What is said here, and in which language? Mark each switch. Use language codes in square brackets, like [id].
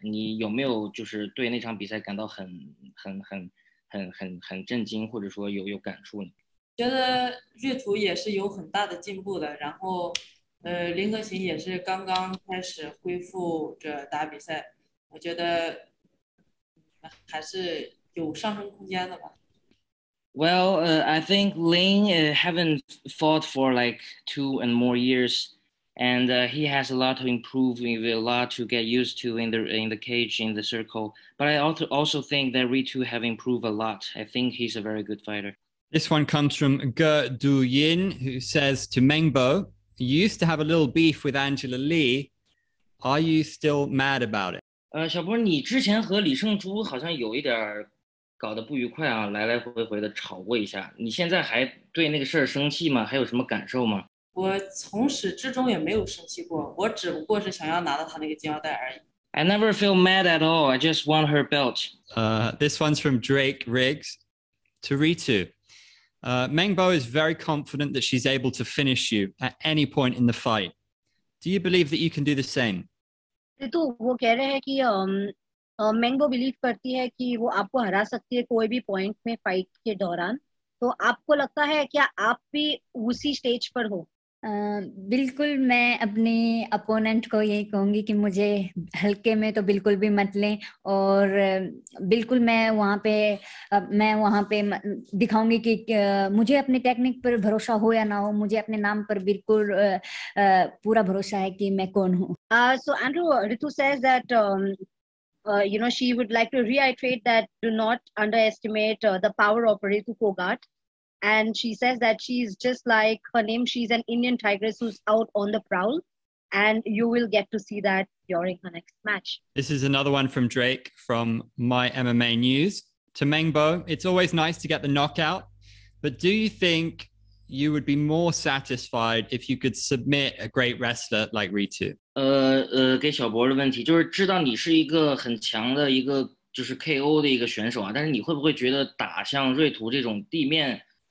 [zh] 你有没有就是对那场比赛感到很震惊，或者说有感触呢？觉得瑞图也是有很大的进步的，然后林和琴也是刚刚开始恢复着打比赛，我觉得还是有上升空间的吧。 [en] Well, I think Lin haven't fought for like 2 and more years, and he has a lot to improve, maybe a lot to get used to in the cage, in the circle. But I also think that Ritu have improved a lot. I think he's a very good fighter. This one comes from Ge Du Yin, who says to Mengbo, you used to have a little beef with Angela Lee. Are you still mad about it? [zh] 小波，你之前和李胜珠好像有一点搞得不愉快啊，来来回回的吵过一下，你现在还对那个事儿生气吗？还有什么感受吗？我从始至终也没有生气过，我只不过是想要拿到他那个金腰带而已。 [en] I never feel mad at all, I just want her belt. This one's from Drake Riggs. To Ritu, Meng Bo is very confident that she's able to finish you at any point in the fight. Do you believe that you can do the same? [hi] Ritu, वो कह रहे हैं कि Meng Bo believe करती है कि वो आपको हरा सकती है कोई भी point में fight के दौरान. तो आपको लगता है क्या आप भी उसी stage पर हो? बिल्कुल मैं अपने अपोनेंट को यही कहूंगी कि मुझे हल्के में तो बिल्कुल भी मत लें और बिल्कुल मैं वहां पे दिखाऊंगी कि मुझे अपने टेक्निक पर भरोसा हो या ना हो मुझे अपने नाम पर बिल्कुल पूरा भरोसा है कि मैं कौन हूं [en] So Andrew Ritu says that you know she would like to reiterate that do not underestimate the power of Ritu Phogat And she says that she's just like her name. She's an Indian tigress who's out on the prowl. And you will get to see that during her next match. This is another one from Drake from My MMA News. To Meng Bo, it's always nice to get the knockout. But do you think you would be more satisfied if you could submit a great wrestler like Ritu? [zh] 给小博的问题就是知道你是一个很强的一个就是 KO 的一个选手啊，但是你会不会觉得打像瑞图这种地面